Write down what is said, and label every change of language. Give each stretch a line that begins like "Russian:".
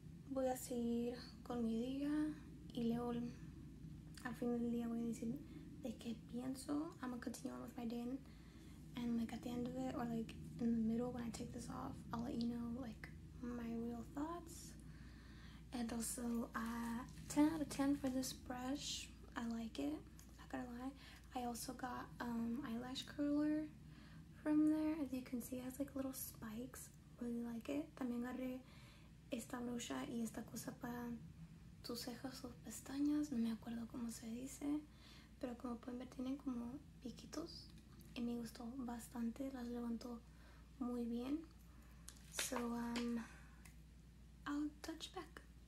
Spanish: Voy a seguir con mi día y luego al fin del día voy a decir de qué pienso.
English: I'm gonna continue on with my day, and like at the end of it, or like in the middle when I take this off, I'll let you know like my real thoughts. And also, 10 out of 10 for this brush, I like it, not gonna lie. I also got eyelash curler from there. As you can see, it has like little spikes. Really like it.
Spanish: También agarré esta brocha y esta cosa para tus cejas o pestañas. No me acuerdo cómo se dice. Pero como pueden ver, tienen como piquitos. Y me gustó bastante. Las levantó muy bien.
English: So, I'll touch back.